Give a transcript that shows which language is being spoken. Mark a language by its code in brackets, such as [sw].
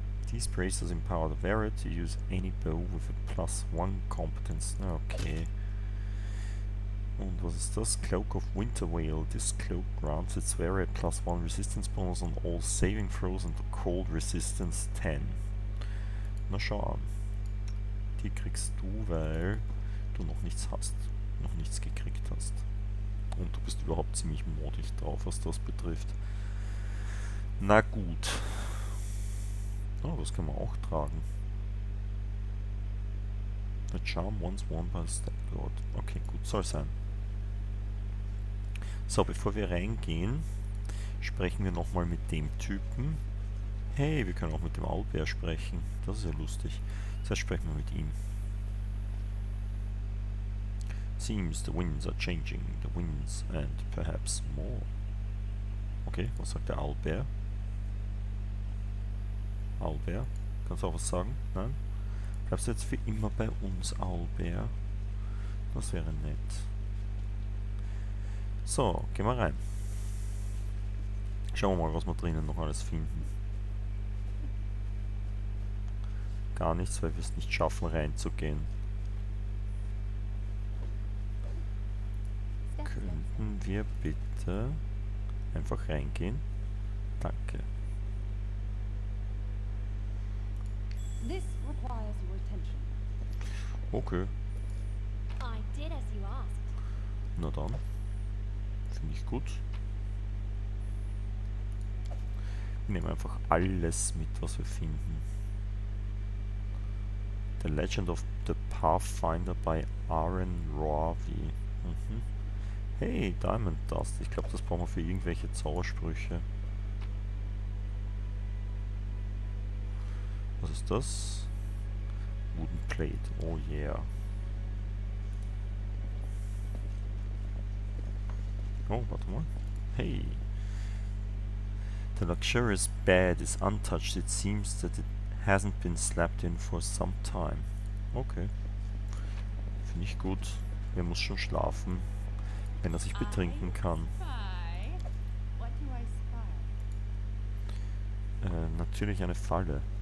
[en] These braces empower the wearer to use any bow with a plus 1 competence. Okay. [de] Und was ist das? [en] Cloak of Winter Veil. This cloak grants its wearer a plus 1 resistance bonus on all saving throws and cold resistance 10. [de] Na schau an. Die kriegst du, weil du noch nichts hast. Noch nichts gekriegt hast. Und du bist überhaupt ziemlich modig drauf, was das betrifft. Na gut. Oh, das kann man auch tragen. [en] The Charm once worn by Stag Lord. Okay, [de] gut, soll sein. So, bevor wir reingehen, sprechen wir nochmal mit dem Typen. Hey, wir können auch mit dem Owlbär sprechen. Das ist ja lustig. Zuerst sprechen wir mit ihm. [en] Seems the winds are changing, the winds and perhaps more. [de] Okay, was sagt der Owlbär? Owlbär, kannst du auch was sagen? Nein? Bleibst du jetzt für immer bei uns, Owlbär? Das wäre nett. So, gehen wir rein. Schauen wir mal, was wir drinnen noch alles finden. Gar nichts, weil wir es nicht schaffen, reinzugehen. Könnten wir bitte einfach reingehen? Danke. [en] This requires your attention. Okay. I did as you asked. [de] Na dann. Finde ich gut. Wir nehmen einfach alles mit, was wir finden. [en] The Legend of the Pathfinder by Aaron Ravi. Mhm. Hey, Diamond Dust. [de] Ich glaube, das brauchen wir für irgendwelche Zaubersprüche. Was ist das? Wooden Plate. [en] Oh yeah. Oh, [de] warte mal. [en] Hey. The luxurious bed is untouched. It seems that it hasn't been slept in for some time. [de] Okay. Finde ich gut. Er muss schon schlafen, wenn er sich betrinken kann. Natürlich eine Falle.